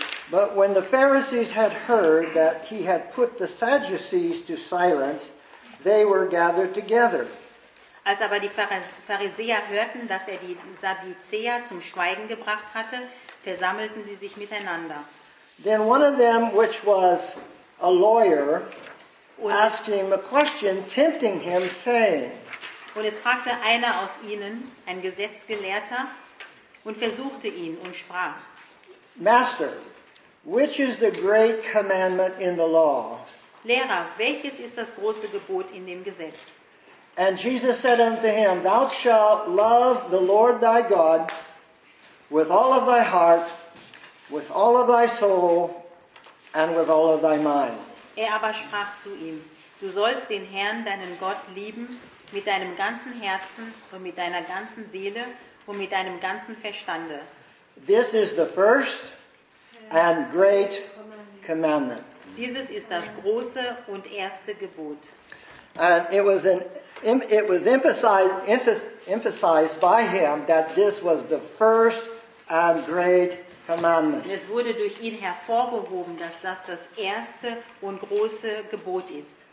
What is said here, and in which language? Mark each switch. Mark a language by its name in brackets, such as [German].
[English] But when the Pharisees had heard that he had put the Sadducees to silence, they were gathered together. [German] Als aber die Pharisäer hörten, dass er die Sadduzäer zum Schweigen gebracht hatte, versammelten sie sich miteinander. [English] Then one of them, which was a lawyer, asked him a question, tempting him, saying. [German] Und es fragte einer aus ihnen, ein Gesetzgelehrter, und versuchte ihn und sprach: [English] Master, which is the great commandment in the law? [German] Lehrer, welches ist das große Gebot in dem Gesetz? [English] And Jesus said unto him, Thou shalt love the Lord thy God with all of thy heart, with all of thy soul, and with all of thy mind. [German] Er aber sprach zu ihm, Du sollst den Herrn, deinen Gott, lieben mit deinem ganzen Herzen und mit deiner ganzen Seele und mit deinem ganzen Verstande. [English] This is the first and great commandment. [German] Dieses ist das große und erste Gebot. [English] And it was an it was emphasized by him that this was the first and great commandment. [German] Es wurde durch ihn hervorgehoben, dass das erste und große Gebot ist.